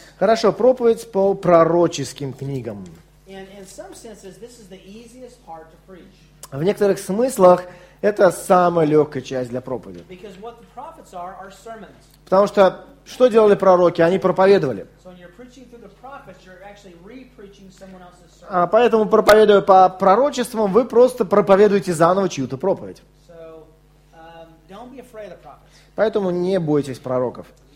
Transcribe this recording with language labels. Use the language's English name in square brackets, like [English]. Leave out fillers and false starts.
[Russian] Хорошо, проповедь по пророческим книгам. [English] And in some senses, this is the easiest part to preach. [Russian] В некоторых смыслах это самая легкая часть для проповеди. [English] Because what the prophets are sermons. [Russian] Потому что что делали пророки? Они проповедовали. [English] So when you're preaching through the prophets, you're actually re-preaching someone else's sermon. [Russian] А поэтому проповедуя по пророчествам, вы просто проповедуете заново чью-то проповедь. [English] So, don't be afraid of the prophets. [Russian] Поэтому не бойтесь пророков.